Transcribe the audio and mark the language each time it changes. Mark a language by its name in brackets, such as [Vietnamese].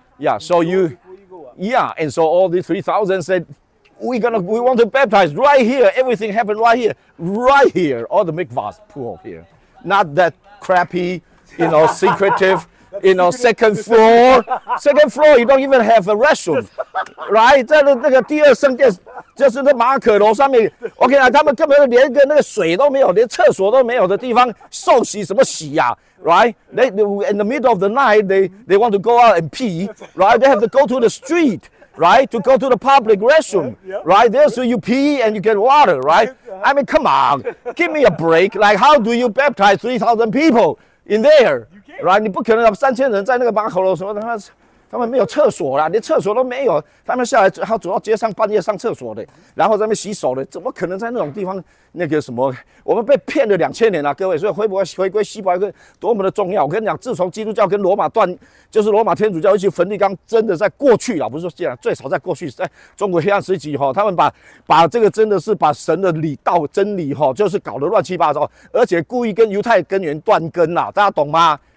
[English] Yeah, so and so all the 3,000 said, we want to baptize right here. Everything happened right here, all the mikvahs pool here. Not that crappy, you know, secretive, you know, second floor, you don't even have a restroom, right? [Chinese] 在那个第二圣殿，就是那马可楼上面 ，OK 啊，他们根本连个那个水都没有，连厕所都没有的地方，受洗什么洗啊 ？Right? [English] They in the middle of the night, they want to go out and pee, right? They have to go to the street, right? To go to the public restroom, right? There, so you pee and you get water, right? I mean, come on, give me a break. Like, how do you baptize 3,000 people in there? [Chinese] Right? 你不可能有三千人在那个马可楼什么的。他们没有厕所啦，连厕所都没有。他们下来还走到街上半夜上厕所的，然后在那边洗手的，怎么可能在那种地方那个什么？我们被骗了两千年了、啊，各位，所以回归西方一个多么的重要。我跟你讲，自从基督教跟罗马断，就是罗马天主教一起梵蒂冈，真的在过去啊，不是说现在，最少在过去，在中国黑暗时期哈，他们把这个真的是把神的理道真理哈，就是搞得乱七八糟，而且故意跟犹太根源断根呐、啊，大家懂吗？